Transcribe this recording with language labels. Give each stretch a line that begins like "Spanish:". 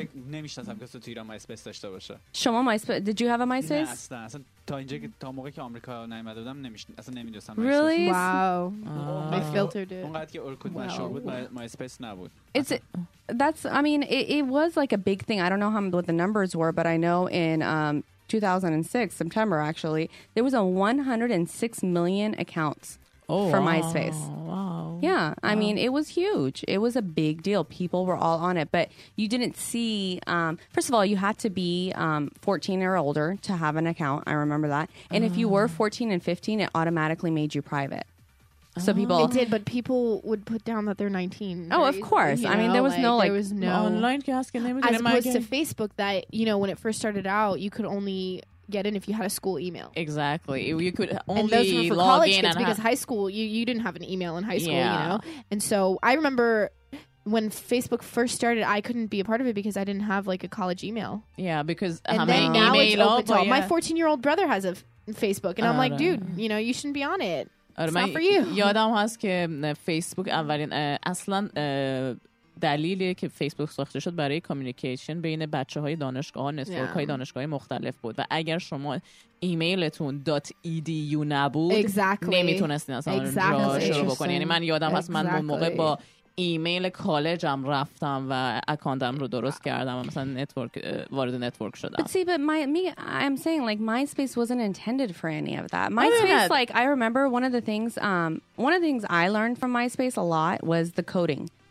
Persian: نمیشناسم کسی تو ایران MySpace داشته باشه.
English: شما MySpace did you have a MySpace؟
Persian: نه اصلا، اصلا تا اینجا که تا موقعی که آمریکا نیومده بودم نمیشناسم، اصلا نمیدونستم MySpace.
English: Really? Wow. They filtered it.
Persian: اونقدر که اورکوت مشهور بود MySpace نبود.
English: It was like a big thing. I don't know what the numbers were, but I know in 2006 September actually, there was a 106 million accounts. Oh, for wow. MySpace. Wow. Yeah. Wow. I mean, it was huge. It was a big deal. People were all on it. But you didn't see, first of all, you had to be 14 or older to have an account. I remember that. And if you were 14 and 15, it automatically made you private. So people it did, but people would put down that they're 19. Oh, right? Of course. You know, I mean, there was like, no like there was no online casting. As opposed to Facebook that, you know, when it first started out, you could only get in if you had a school email. Exactly. You could only log in. And those were for college kids because high school, you didn't have an email in high school, you know? And so I remember when Facebook first started, I couldn't be a part of it because I didn't have like a college email. Yeah, because and how many emails? My 14-year-old brother has a Facebook, and I'm like, dude, you know, you shouldn't be on it. It's not for you.
Persian: یادم هست که Facebook اولین اصلا دلیلی که فیسبوک ساخته شد برای کامیونیکیشن بین بچه‌های دانشگاه، نتورک‌های دانشگاه مختلف بود و اگر شما ایمیلتون .edu نبود نمیتونستین اصلا شروع بکنی. یعنی من یادم هست من اون موقع با ایمیل کالجم رفتم و اکانتم رو درست کردم و مثلا وارد نتورک شدم.
English: But see, but my, me, I'm saying like MySpace wasn't intended for any of that. MySpace, like I remember one of the things I learned from MySpace a lot was the coding.